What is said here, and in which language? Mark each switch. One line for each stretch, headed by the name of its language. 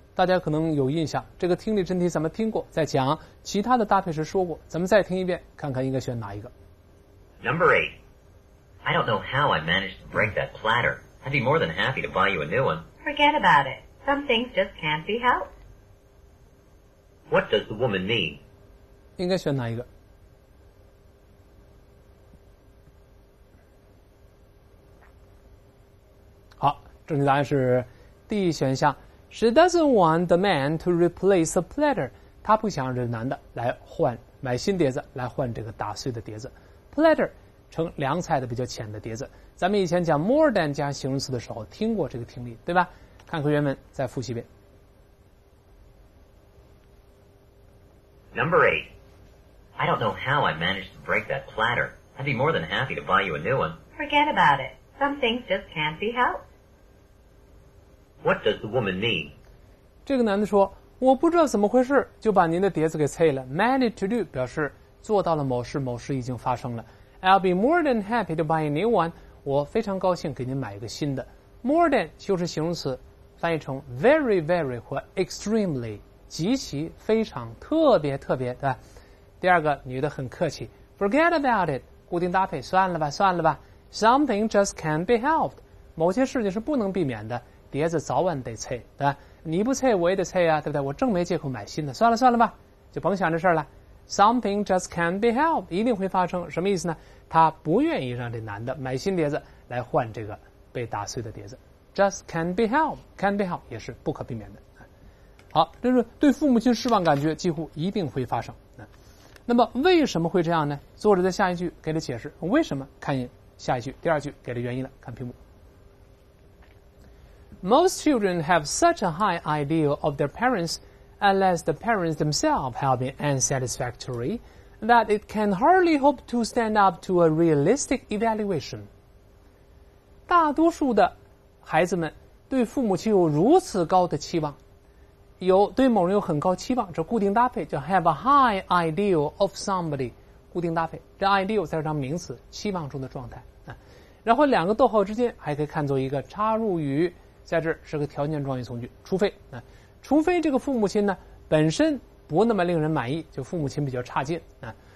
Chinese: 大家可能有印象，这个听力真题咱们听过，在讲其他的搭配时说过，咱们再听一遍，看看应该选哪一个。
English: Number 8. I don't know how I managed to break that platter. I'd be more than happy to buy you a new one. Forget about it. Some things just can't be helped. What does the woman mean?
Chinese: 应该选哪一个？正确答案是 D 选项。
English: She doesn't want the man to replace the platter.
Chinese: 她不想让男的来换买新碟子来换这个打碎的碟子。 Platter 成凉菜的比较浅的碟子。咱们以前讲 more than 加形容词的时候听过这个听力，对吧？看看原文再复习一遍。
English: Number 8. I don't know how I managed to break that platter. I'd be more than happy to buy you a new one. Forget about it. Some things just can't be helped. What does the woman mean?
Chinese: 这个男的说，我不知道怎么回事就把您的碟子给碎了。
English: Managed to do
Chinese: 表示做到了某事，某事已经发生了。
English: I'll be more than happy to buy a new one.
Chinese: 我非常高兴给您买一个新的。 More than 就是形容词，翻译成
English: very very
Chinese: 或 extremely。极其非常特别特别，对吧？第二个女的很客气，
English: forget about it，
Chinese: 固定搭配，算了吧算了吧。
English: Something just can't be helped，
Chinese: 某些事情是不能避免的，碟子早晚得碎，对吧？你不碎我也得碎啊，对不对？我正没借口买新的，算了算了吧，就甭想这事了。
English: Something just can't be helped，
Chinese: 一定会发生。什么意思呢？她不愿意让这男的买新碟子来换这个被打碎的碟子。
English: Just can't be helped， can't be helped 也是不可避免的。
Chinese: 好，就是对父母亲失望感觉几乎一定会发生。那么为什么会这样呢？作者在下一句给了解释，为什么？看下一句，第二句给了原因了。看屏幕。
English: Most children have such a high ideal of their parents, unless the parents themselves have been unsatisfactory, that it can hardly hope to stand up to a realistic evaluation.
Chinese: 大多数的孩子们对父母亲有如此高的期望。有对某人有很高期望，这固定搭配叫
English: have a high ideal of somebody，
Chinese: 固定搭配，这 ideal 才是当名词，期望中的状态啊。然后两个逗号之间还可以看作一个插入语，在这是个条件状语从句，除非啊，除非这个父母亲呢本身不那么令人满意，就父母亲比较差劲啊。